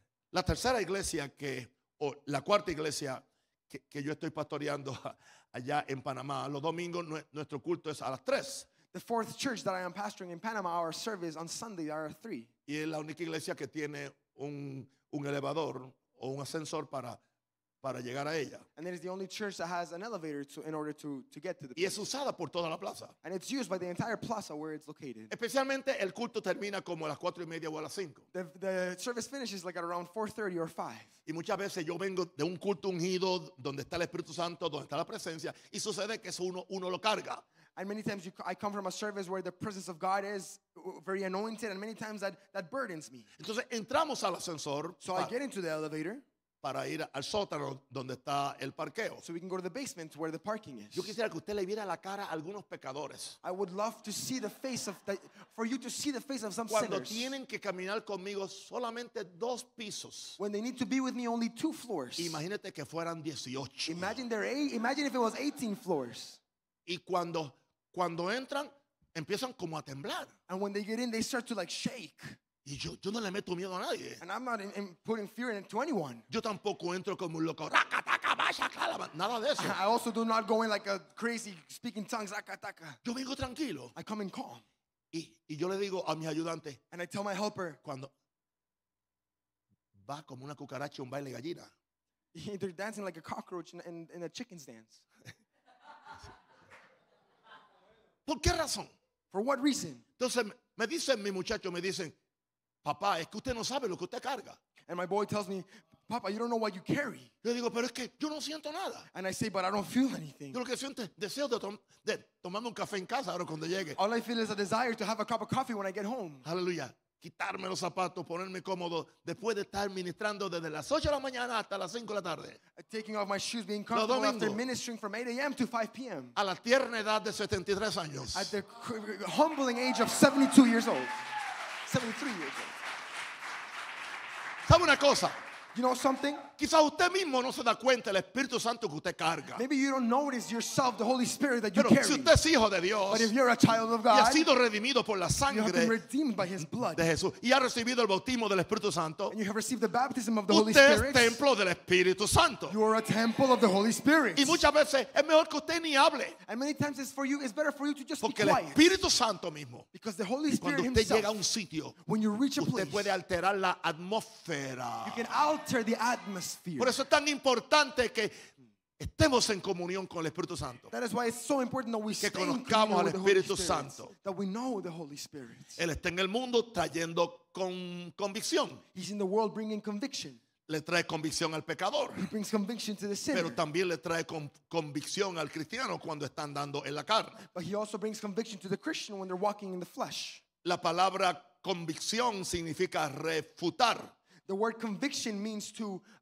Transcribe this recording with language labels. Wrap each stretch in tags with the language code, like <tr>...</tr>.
<es>La tercera iglesia que, o la cuarta iglesia que yo estoy pastoreando allá en Panamá, los domingos nuestro culto es a las 3.</es> <en>The fourth church that I am pastoring in Panama, our service on Sunday are 3.</en> <es>Y es la única iglesia que tiene un elevador o un ascensor para llegar a ella.</es> <en>And it is the only church that has an elevator in order to get to the</en> <es>y Y es usada por toda la plaza.</es> <en>And it's used by the entire plaza where it's located.</en> <es>Especialmente el culto termina como a las 4:30 o a las 5.</es> <en>The service finishes like at around 4:30 or 5.</en> <es>Y muchas veces yo vengo de un culto ungido donde está el Espíritu Santo, donde está la presencia, y sucede que eso uno lo carga.</es> <en>And many times I come from a service where the presence of God is very anointed, and many times that burdens me.</en> <es>Entonces entramos al ascensor.</es> <en>So I get into the elevator.</en> <es>Para ir al sótano donde está el parqueo.</es> <en>So we can go to the basement where the parking is.</en> <es>Yo quisiera que usted le viera la cara a algunos pecadores.</es> <en>I would love to see the face of for you to see the face of some</en> <es>cuando</es> <en>sinners.</en> <es>Cuando tienen que caminar conmigo solamente dos pisos.</es> <en>When they need to be with me only two floors.</en> <es>Imagínate que fueran 18.</es> <en>Imagine if it was 18 floors.</en> <es>Y cuando entran, empiezan como a temblar.</es> <en>And when they get in, they start to like shake.</en> <es>Y yo no le meto miedo a nadie.</es> <en>And I'm not in putting fear into anyone.</en> <es>Yo tampoco entro como un loco. Raca, taca, baja, calama. Nada de eso.</es> <en>I also do not go in like a crazy speaking tongues. Raca, taca.</en> <es>Yo vengo tranquilo.</es> <en>I come in calm.</en> <es>Y yo le digo a mi ayudante.</es> <en>And I tell my helper.</en> <es>Cuando va como una cucaracha un baile gallina.</es> <en>They're dancing like a cockroach in a chicken's dance.</en> <es>¿Por qué razón?</es> <en>For what reason?</en> <es>Entonces me dicen mi muchacho, me dicen. Papá, es que usted no sabe lo que usted carga.</es> <en>And my boy tells me, Papa, you don't know what you carry.</en> <es>Yo digo, pero es que yo no siento nada.</es> <en>And I say, but I don't feel anything.</en> <es>Yo lo que siento es deseo de tomarme un café en casa ahora cuando llegue.</es> <en>All I feel is a desire to have a cup of coffee when I get home.</en> <es>Aleluya. Quitarme los zapatos, ponerme cómodo después de estar ministrando desde las 8 de la mañana hasta las 5 de la tarde.</es> <en>Taking off my shoes, being comfortable after ministering from 8 a.m. to 5 p.m.</en> <es>A la tierna edad de 73 años.</es> <en>At the humbling age of 72 years old. 73 years old.</en> <es>¿Sabe una cosa?</es> <en>You know something?</en> <es>Quizás usted mismo no se da cuenta del Espíritu Santo que usted carga.</es> <en>Maybe you don't notice yourself the Holy Spirit that you</en> <es>pero</es> <en>carry.</en> <es>Pero si usted es hijo de Dios,</es> <en>but if you're a child of God,</en> <es>y ha sido redimido por la sangre</es> <en>you have been redeemed by his blood,</en> <es>de Jesús, y ha recibido el bautismo del Espíritu Santo,</es> <en>and you have received the baptism of the Holy Spirit,</en> <es>usted es templo del Espíritu Santo.</es> <en>You are a temple of the Holy Spirit.</en> <es>Y muchas veces es mejor que usted ni hable.</es> <en>And many times it's better for you to just</en> <es>porque</es> <en>be quiet.</en> <es>Porque el Espíritu Santo mismo,</es> <en>because the Holy Spirit</en> <es>cuando usted</es> <en>himself,</en> <es>llega a un sitio,</es> <en>when you reach a</en> <es>usted puede alterar la atmósfera.</es> <en>You can alter the atmosphere.</en> <es>Por eso es tan importante que estemos en comunión con el Espíritu Santo.</es> <en>That is why it's so important that we stay</en> <es>que conozcamos al Espíritu Santo.</es> <en>That we know the Holy Spirit.</en> <es>Él está en el mundo trayendo convicción.</es> <en>He's in the world bringing conviction.</en> <es>Le trae convicción al pecador.</es> <en>He brings conviction to the sinner.</en> <es>Pero también le trae convicción al cristiano cuando está andando en la carne.</es> <en>But he also brings conviction to the Christian when they're walking in the flesh.</en> <es>La palabra convicción significa refutar.</es> <en>The word conviction means to</en>